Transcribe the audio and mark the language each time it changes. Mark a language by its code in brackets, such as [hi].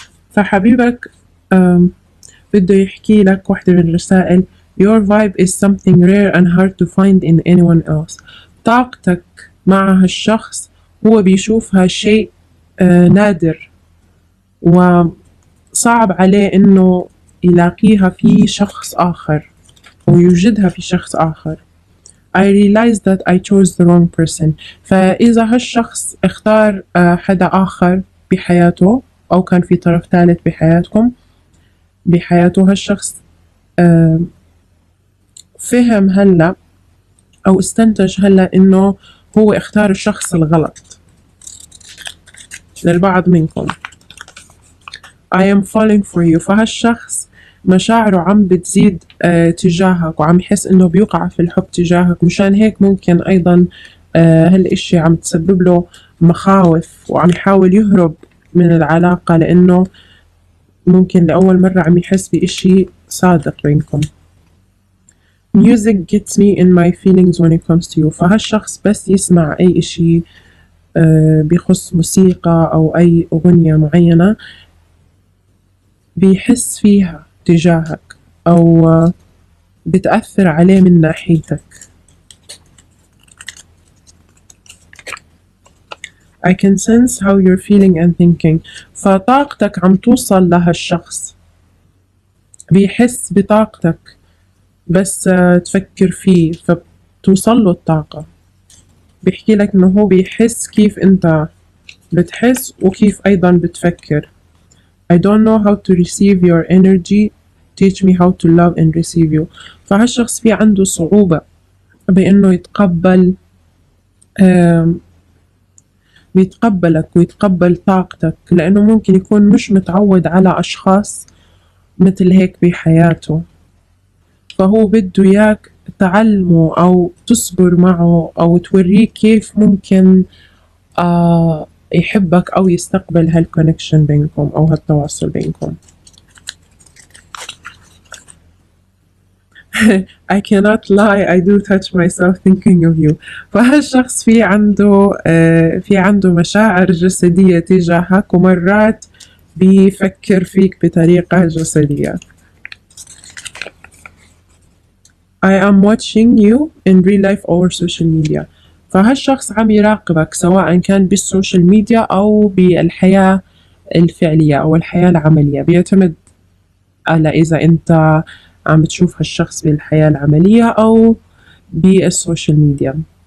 [ar] فحبيبك بده يحكي لك واحدة من الرسائل: [en] Your vibe is something rare and hard to find in anyone else. [ar] طاقتك مع هالشخص هو بيشوفها شيء نادر وصعب عليه انه يلاقيها في شخص آخر ويوجدها في شخص آخر. [en] I realized that I chose the wrong person. [ar] فإذا هالشخص اختار حدا آخر بحياته أو كان في طرف ثالث بحياته هالشخص، فهم هلأ أو استنتج هلأ أنه هو اختار الشخص الغلط. للبعض منكم [en] I am falling for you. [ar] فهالشخص مشاعره عم بتزيد تجاهك وعم يحس أنه بيقع في الحب تجاهك، مشان هيك ممكن أيضا هالإشي عم تسبب له مخاوف وعم يحاول يهرب من العلاقة، لأنه ممكن لأول مرة عم يحس بإشي صادق بينكم. [en] Music gets me in my feelings when it comes to you. [ar] فهالشخص بس يسمع أي إشي بيخص موسيقى أو أي أغنية معينة بيحس فيها تجاهك أو بتأثر عليه من ناحيتك. [en] I can sense how you're feeling and thinking. [ar] فطاقتك عم توصل لهالشخص، بيحس بطاقتك بس تفكر فيه فبتوصل له الطاقة. بيحكي لك انه هو بيحس كيف انت بتحس وكيف ايضا بتفكر. [en] I don't know how to receive your energy. Teach me how to love and receive you. [ar] فهالشخص في عنده صعوبة بانه يتقبل بيتقبلك ويتقبل طاقتك، لانه ممكن يكون مش متعود على اشخاص مثل هيك بحياته، فهو بده اياك تعلمه او تصبر معه او توريه كيف ممكن يحبك او يستقبل هالكونكشن بينكم او هالتواصل بينكم. [en] I cannot lie, I do touch myself thinking of you. [ar] فهالشخص في عنده مشاعر جسدية تجاهك، ومرات بيفكر فيك بطريقة جسدية. [en] I am watching you in real life over social media. [ar] فهالشخص عم يراقبك سواء كان بالسوشيال ميديا أو بالحياة الفعلية أو الحياة العملية، بيعتمد على إذا أنت عم تشوف هالشخص بالحياة العملية أو بالسوشيال ميديا.